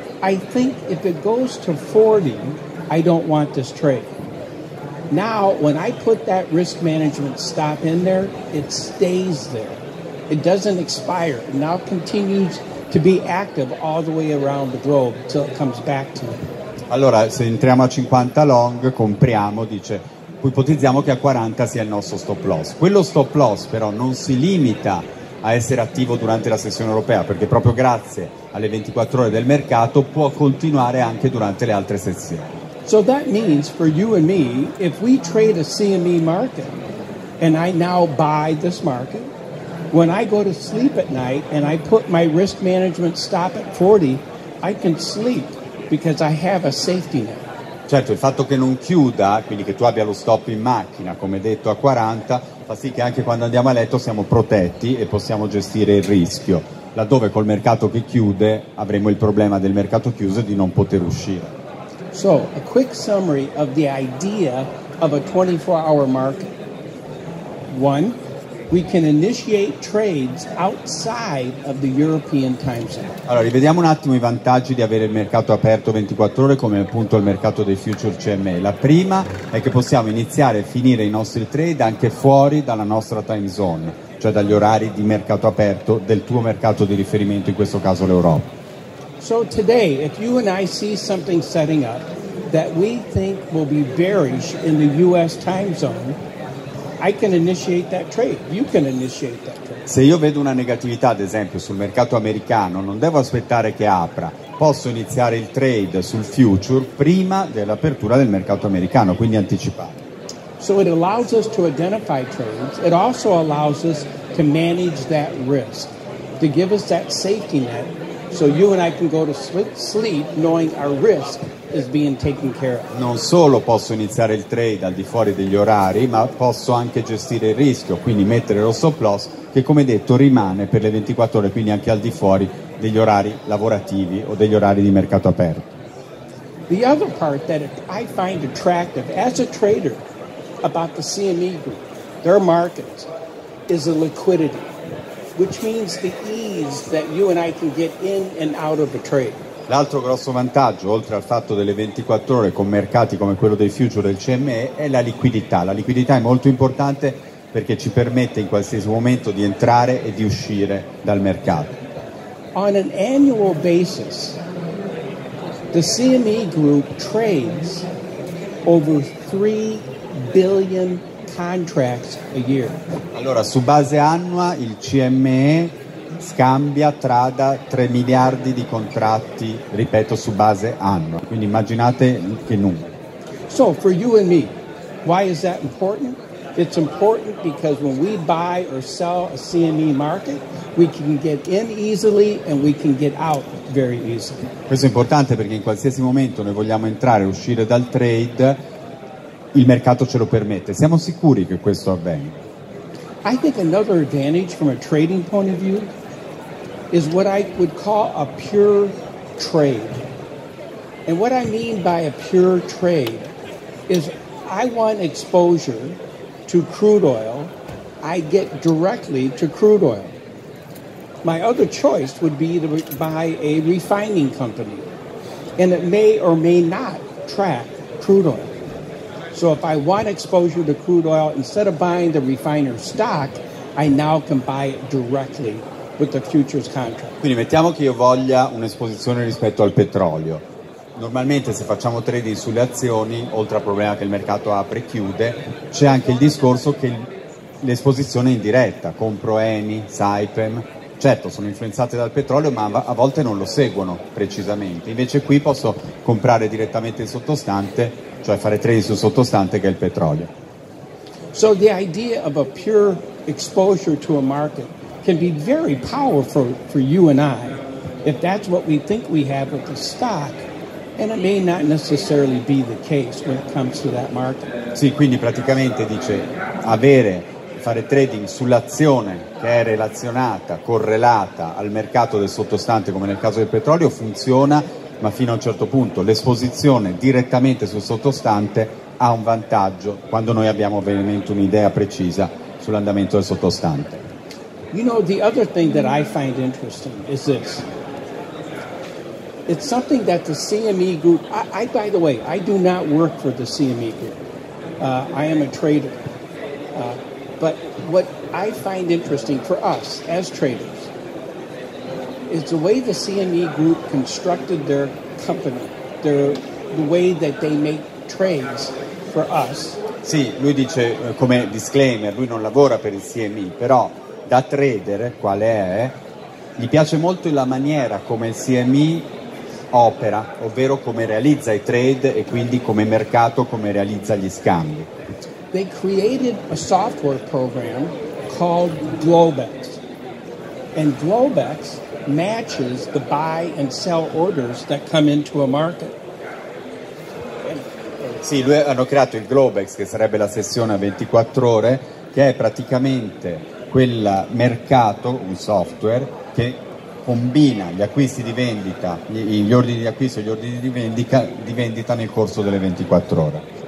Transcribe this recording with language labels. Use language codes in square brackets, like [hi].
[en] I think if it goes to 40, I don't want this trade. Now, when I put that risk management stop in there, it stays there. It doesn't expire. It now continues to be active all the way around the globe till it comes back to me. [it] Allora, se entriamo a 50 long, compriamo, dice, ipotizziamo che a 40 sia il nostro stop loss. Quello stop loss però non si limita a essere attivo durante la sessione europea, perché proprio grazie alle 24 ore del mercato può continuare anche durante le altre sessioni. [en] So that means for you and me, if we trade a CME market and I now buy this market, when I go to sleep at night and I put my risk management stop at 40, I can sleep because I have a safety net. [it] Certo, il fatto che non chiuda, quindi che tu abbia lo stop in macchina, come detto, a 40, fa sì che anche quando andiamo a letto siamo protetti e possiamo gestire il rischio, laddove col mercato che chiude avremo il problema del mercato chiuso di non poter uscire. [en] So, a quick summary of the idea of a 24-hour market. One, we can initiate trades outside of the European time zone. [it] Allora, rivediamo un attimo i vantaggi di avere il mercato aperto 24 ore come appunto il mercato dei future CME. La prima è che possiamo iniziare e finire i nostri trade anche fuori dalla nostra time zone, cioè dagli orari di mercato aperto del tuo mercato di riferimento, in questo caso l'Europa. [en] So today, if you and I see something setting up that we think will be bearish in the US time zone, I can initiate that trade. You can initiate that trade. [it] Se io vedo una negatività, ad esempio, sul mercato americano, non devo aspettare che apra. Posso iniziare il trade sul future prima dell'apertura del mercato americano, quindi anticipato. [en] So it allows us to identify trades. It also allows us to manage that risk, to give us that safety net, so you and I can go to sleep knowing our risk is being taken care of. [it] Non solo posso iniziare il trade al di fuori degli orari, ma posso anche gestire il rischio, quindi mettere lo stop loss che, come detto, rimane per le 24 ore, quindi anche al di fuori degli orari lavorativi o degli orari di mercato aperto. [en] The other part that I find attractive as a trader about the CME group, their markets, is the liquidity, which means the ease that you and I can get in and out of a trade. [it] L'altro grosso vantaggio, oltre al fatto delle 24 ore con mercati come quello dei future del CME, è la liquidità. La liquidità è molto importante perché ci permette in qualsiasi momento di entrare e di uscire dal mercato. [en] On an annual basis, the CME group trades over 3 billion contracts a year. [it] Allora, su base annua, il CME scambia, trada 3 miliardi di contratti, ripeto, su base annua. Quindi immaginate che numero. [en] So, for you and me, why is that important? It's important because when we buy or sell a CME market, we can get in easily and we can get out very easily. [it] Questo è importante perché in qualsiasi momento noi vogliamo entrare o uscire dal trade, il mercato ce lo permette. Siamo sicuri che questo avvenga. [en] I think another advantage from a trading point of view is what I would call a pure trade. And what I mean by a pure trade is I want exposure to crude oil, I get directly to crude oil. My other choice would be to buy a refining company, and it may or may not track crude oil. So if I want exposure to crude oil, instead of buying the refiner stock, I now can buy it directly with the futures contract. [it] Quindi mettiamo che io voglia un'esposizione rispetto al petrolio. Normalmente se facciamo trading sulle azioni, oltre al problema che il mercato apre e chiude, c'è anche il discorso che l'esposizione è indiretta. Compro Eni, Saipem. Certo, sono influenzate dal petrolio, ma a volte non lo seguono precisamente. Invece qui posso comprare direttamente il sottostante, cioè fare trading sul sottostante che è il petrolio. [en] So the idea of a pure exposure to a market can be very powerful for you and I, if that's what we think we have with the stock, and it may not necessarily be the case when it comes to that market. [it] Sì, quindi praticamente dice avere, fare trading sull'azione che è relazionata, correlata al mercato del sottostante, come nel caso del petrolio, funziona, ma fino a un certo punto l'esposizione direttamente sul sottostante ha un vantaggio quando noi abbiamo ovviamente un'idea precisa sull'andamento del sottostante. [en] You know, the other thing that I find interesting is this. It's something that the CME group, I by the way, I do not work for the CME group. I am a trader. But what I find interesting for us as traders is the way the CME group constructed their company, the way that they make trades for us. [it] Sì, lui dice come disclaimer, lui non lavora per il CME, però da trader, quale è, gli piace molto la maniera come il CME opera, ovvero come realizza i trade e quindi come mercato, come realizza gli scambi. [en] They created a software program called Globex. And Globex matches the buy and sell orders that come into a market. [it] Sì, lui hanno creato il Globex, che sarebbe la sessione a 24 ore, che è praticamente quel mercato, un software, che combina gli acquisti di vendita, gli ordini di acquisto e gli ordini di vendita nel corso delle 24 ore.